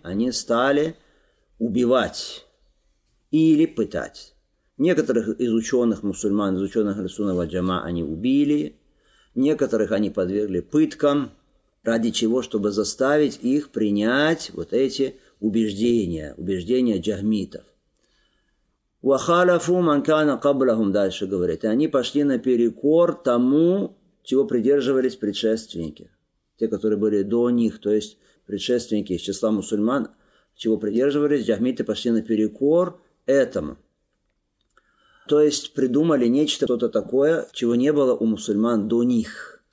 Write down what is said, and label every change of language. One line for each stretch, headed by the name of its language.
Russian: Они стали убивать или пытать. Некоторых из ученых мусульман, из ученых Ахлиссунна Валь-Джамаа они убили, некоторых они подвергли пыткам, ради чего? Чтобы заставить их принять вот эти убеждения, убеждения джахмитов.
Arabic: وَخَالَفُ مَنْ كَانَ قَبْلَهُمْ,
Russian: дальше говорит. И они пошли наперекор тому, чего придерживались предшественники. Те, которые были до них, то есть предшественники из числа мусульман, чего придерживались, джахмиты пошли наперекор этому. То есть придумали нечто, что-то такое, чего не было у мусульман до них.